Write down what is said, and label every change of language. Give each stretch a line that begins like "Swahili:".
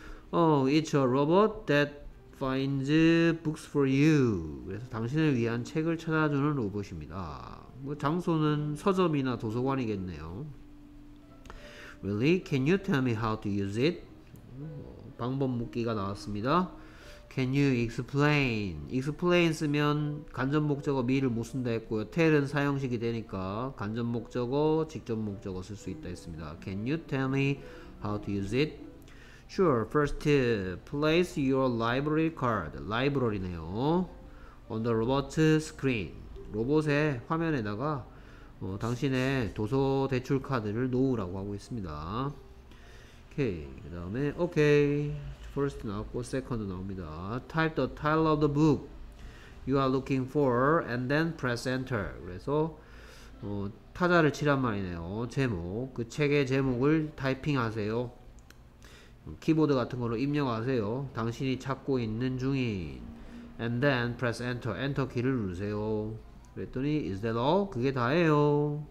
English: Oh, it's a robot that finds books for you.
Korean: 그래서 당신을 위한 책을 찾아주는 로봇입니다. 뭐 장소는 서점이나 도서관이겠네요.
English: Really? Can you tell me how to use it?
Korean: 방법 묻기가 나왔습니다.
English: Can you explain?
Korean: Explain 쓰면 간접 목적어 me를 못 쓴다 했고요. tell은 사형식이 되니까 간접 목적어, 직접 목적어 쓸 수 있다 했습니다.
English: Can you tell me how to use it? Sure. First, place your library card, library네요, on the robot's screen.
Korean: 로봇의 화면에다가 당신의 도서 대출 카드를 놓으라고 하고 있습니다. 오케이. 그 다음에 오케이. First 나왔고 second 나옵니다.
English: Type the title of the book you are looking for and then press enter.
Korean: 그래서 타자를 치란 말이네요. 제목, 그 책의 제목을 타이핑하세요. 키보드 같은 걸로 입력하세요. 당신이 찾고 있는 중인.
English: And then press enter.
Korean: 엔터 키를 누르세요. 그랬더니
English: is that all?
Korean: 그게 다예요.